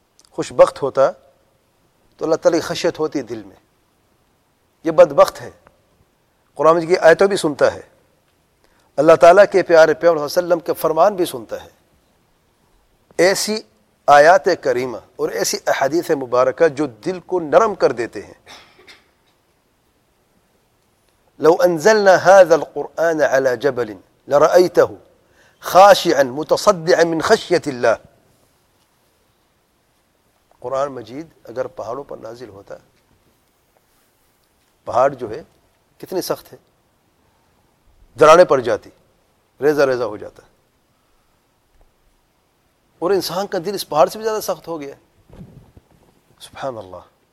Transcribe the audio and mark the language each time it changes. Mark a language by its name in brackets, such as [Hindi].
[Urdu] خوشبخت ہوتا تو اللہ تعالیٰ کی خشیت ہوتی دل میں, یہ بدبخت ہے. قرآن مجید کی آیتوں بھی سنتا ہے, اللہ تعالیٰ کے پیارے پیغمبر صلی اللہ علیہ وسلم کے فرمان بھی سنتا ہے. ایسی آیات کریمہ اور ایسی احادیث مبارکہ جو دل کو نرم کر دیتے ہیں. [Arabic] لو انزلنا هذا القرآن على جبل لرأيته خاشعا متصدعا من خشية الله. [Urdu] قرآن مجید اگر پہاڑوں پر نازل ہوتا, پہاڑ جو ہے کتنے سخت ہے, درانے پڑ جاتی, ریزہ ریزہ ہو جاتا, اور انسان کا دل اس پہاڑ سے بھی زیادہ سخت ہو گیا. سبحان اللہ.